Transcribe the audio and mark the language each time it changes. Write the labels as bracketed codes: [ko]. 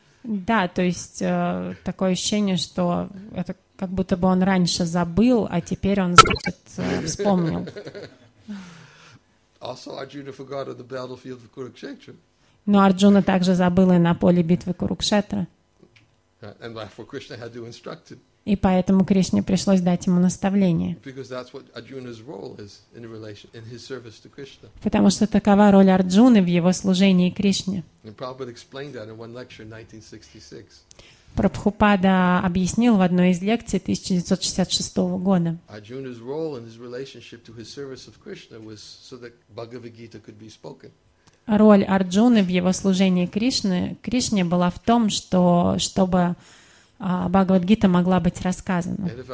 [ru] Да, то есть такое ощущение, что это как будто бы он раньше забыл, а теперь он, значит, вспомнил. [en] Also, Arjuna forgot on the battlefield of Kurukshetra. [ru] Но Арджуна также забыл и на поле битвы Курукшетра. [en] And therefore Krishna had to instruct him. [ru] И поэтому Кришне пришлось дать ему наставление. [en] Because that's what Arjuna's role is in relation in his service to Krishna. [ru] Потому что такова роль Арджуны в его служении Кришне. [en] And Prabhupada explained that in one lecture in 1966. [ru] Прабхупада объяснил в одной из лекций 1966 года. Роль Арджуны в его служении Кришне была в том, чтобы Бхагавад-гита могла быть рассказана.